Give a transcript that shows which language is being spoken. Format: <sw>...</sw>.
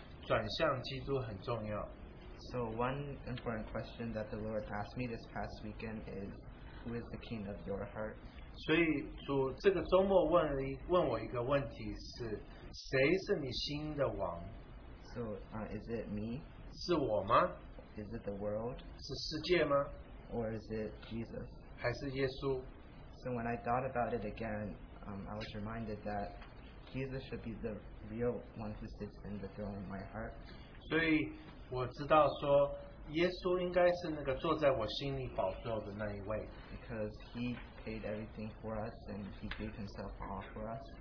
<zh>所以这两点都跟我们将我们的心转向基督很重要。</zh> <en>So one important question that the Lord asked me this past weekend is, who is the king of your heart?</en> <zh>所以主这个周末问我一个问题是谁是你心的王?</zh> <en>So is it me?</en> <zh>是我吗?</zh> <en>Is it the world?</en> <zh>是世界吗?</zh> <en>Or is it Jesus?</en> <zh>还是耶稣?</zh> <en>So when I thought about it again, I was reminded that Jesus should be the real one who sits in the throne of my heart.</en> <zh>所以我知道说 耶稣应该是那个坐在我心里宝座的那一位。</zh> <en>Because He paid everything for us and He gave Himself all for us.</en>